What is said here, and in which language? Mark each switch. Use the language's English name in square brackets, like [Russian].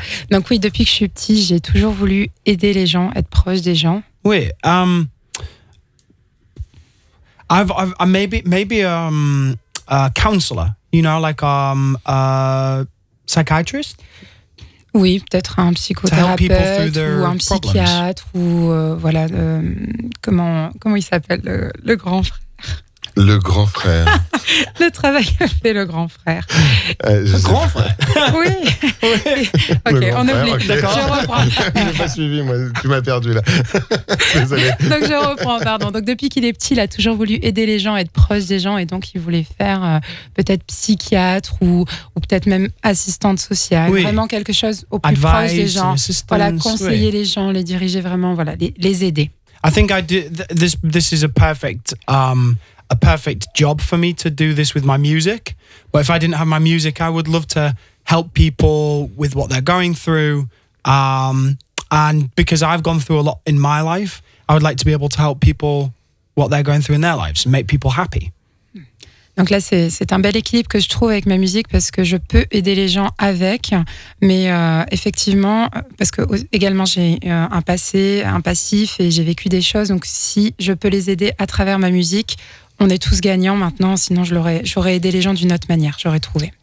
[French] Donc oui, depuis que je suis petit, j'ai toujours voulu aider les gens, être proche des gens. Oui. [English] I've maybe a counselor, you know, like a psychiatrist. [French] Oui, peut-être un psychothérapeute ou un psychiatre [English] problems. [French] Ou voilà comment il s'appelle le grand frère. Le grand frère. Le travail que fait le grand frère. Le grand frère. Oui. Ok, on oublie. Okay. D'accord. Je reprends. Je n'ai pas suivi, moi. Tu m'as perdu, là. Désolé. Donc, je reprends, pardon. Donc, depuis qu'il est petit, il a toujours voulu aider les gens, être proche des gens. Et donc, il voulait faire peut-être psychiatre ou peut-être même assistante sociale. Oui. Vraiment quelque chose au plus [English] advice, [French] proche des gens. Voilà, conseiller oui. les gens, les diriger vraiment, voilà, les aider. [English] I think I do, this is a perfect... a perfect job for me to do this with my music. But if I didn't have my music, I would love to help people with what they're going through. And because I've gone through a lot in my life, I would like to be able to help people what they're going through in their lives and make people happy. [French] Donc là, c'est un bel équilibre que je trouve avec ma musique parce que je peux aider les gens avec, mais effectivement, parce que également j'ai un passé, un passif et j'ai vécu des choses. Donc si je peux les aider à travers ma musique, on est tous gagnants maintenant, sinon j'aurais aidé les gens d'une autre manière, j'aurais trouvé.